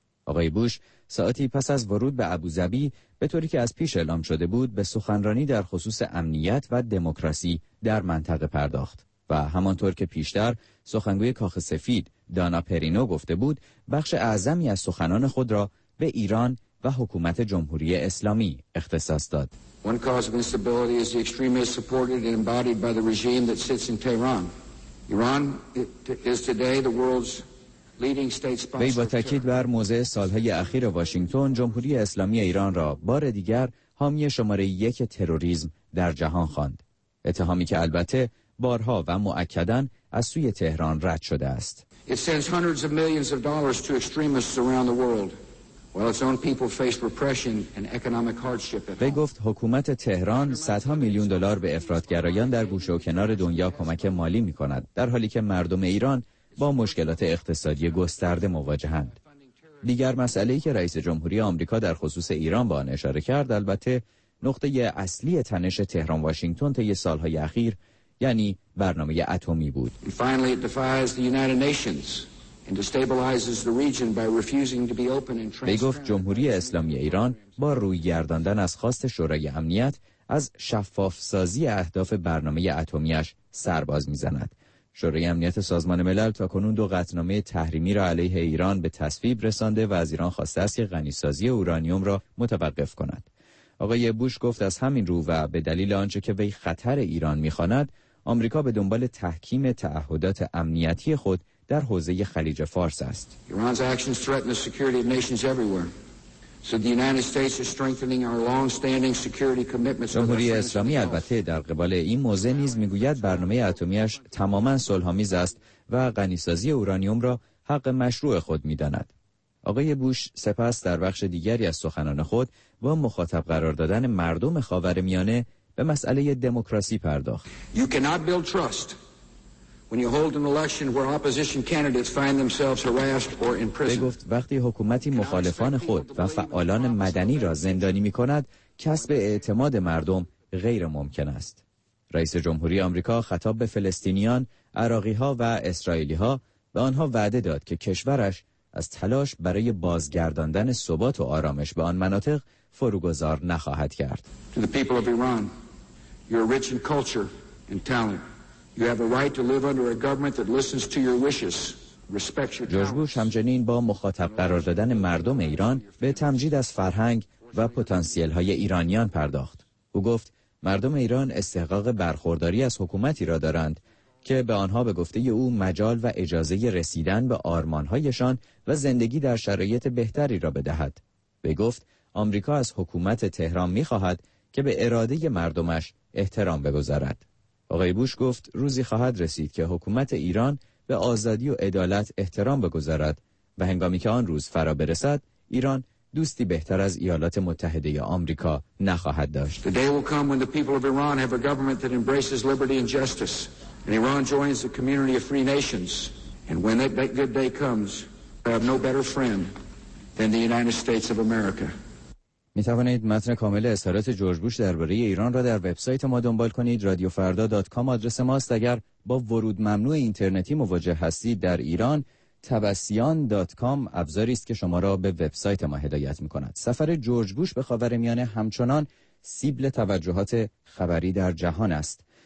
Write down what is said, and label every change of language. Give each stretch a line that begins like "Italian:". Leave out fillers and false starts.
Persian: آقای بوش ساعتی پس از ورود به ابوظبی، به طوری که از پیش اعلام شده بود، به سخنرانی در خصوص امنیت و دموکراسی در منطقه پرداخت و همانطور که پیشتر سخنگوی کاخ سفید دانا پرینو گفته بود، بخش اعظمی از سخنان خود را به ایران و حکومت جمهوری اسلامی اختصاص داد.
English: One cause of instability is the extremists supported and embodied by the regime that sits in Tehran. Iran is today the world's leading state sponsor.
Persian: وی با تأکید بر موضع سالهای اخیر واشنگتن، جمهوری اسلامی ایران را بار دیگر حامی شماره یک تروریسم در جهان خواند. اتهامی که البته بارها و مؤکداً از سوی تهران رد شده است.
English: It sends hundreds of millions of dollars to extremists around the world. While its own people face repression and economic hardship at home.
Persian: وی گفت حکومت تهران صدها میلیون دلار به افراطگرایان در گوشه و کنار دنیا کمک مالی میکند، در حالی که مردم ایران با مشکلات اقتصادی گسترده مواجهند. دیگر مسئله‌ای که رئیس جمهوری آمریکا در خصوص ایران با آن اشاره کرد، البته نقطه اصلی تنش تهران واشنگتن طی سالهای اخیر، یعنی برنامه اتمی بود.
English: And destabilizes the region by refusing to be open and transparent.
Persian: وی گفت جمهوری اسلامی ایران با روی گرداندن از خواست شورای امنیت از شفاف سازی اهداف برنامه اتمیش سرباز میزند. شورای امنیت سازمان ملل تا کنون دو قطعنامه تحریمی را علیه ایران به تصویب رسانده و از ایران خواسته است که غنی‌سازی اورانیوم را متوقف کند. آقای بوش گفت از همین رو و به دلیل آنچه که وی خطر ایران می‌خواند، آمریکا به دنبال تحکیم تعهدات امنیتی خود در حوزه خلیج فارس است.
English: Iran's actions threaten the security of nations everywhere. So the United States is strengthening our long-standing security commitments.
Persian: جمهوری اسلامی البته در قبال این موضع نیز میگوید برنامه اتمیش تماماً صلح‌آمیز است و غنی‌سازی اورانیوم را حق مشروع خود می‌داند. آقای بوش سپس در بخش دیگری از سخنان خود با مخاطب قرار دادن مردم خاورمیانه به مسئله دموکراسی پرداخت.
English: You cannot build trust when you hold an election where opposition candidates find themselves harassed or in prison.
Persian: وی گفت وقتی حکومتی مخالفان خود و فعالان مدنی را زندانی می کند، کسب اعتماد مردم غیر ممکن است. رئیس جمهوری آمریکا خطاب به فلسطینیان، عراقی ها و اسرائیلی ها به آنها وعده داد که کشورش از تلاش برای بازگرداندن ثبات و آرامش به آن مناطق فروگذار نخواهد کرد.
English: To the people of Iran, you're rich in culture and talent. You have a right to live under a government that listens to your wishes, respects your
Persian: جورج بوش همچنین با مخاطب قرار دادن مردم ایران به تمجید از فرهنگ و پتانسیل های ایرانیان پرداخت. او گفت مردم ایران استحقاق برخورداری از حکومتی را دارند که به آنها به گفته او مجال و اجازه رسیدن به آرمان هایشان و زندگی در شرایط بهتری را بدهد. به گفت آمریکا از حکومت تهران می خواهد که به اراده مردمش احترام بگذارد. آقای بوش گفت روزی خواهد رسید که حکومت ایران به آزادی و عدالت احترام بگذارد و هنگامی که آن روز فرا برسد، ایران دوستی بهتر از ایالات متحده آمریکا نخواهد داشت.
English: The day will come when the people of Iran have a government that embraces liberty and justice and Iran joins the community of free nations, and when that good day comes, they have no better friend than the United States of America.
Persian: می توانید متن کامل اظهارات جورج بوش درباره ایران را در وبسایت ما دنبال کنید. radiofarda.com آدرس ماست. اگر با ورود ممنوع اینترنتی مواجه هستید در ایران، tabassian.com ابزاری است که شما را به وبسایت ما هدایت می کند. سفر جورج بوش به خاورمیانه همچنان سیبل توجهات خبری در جهان است.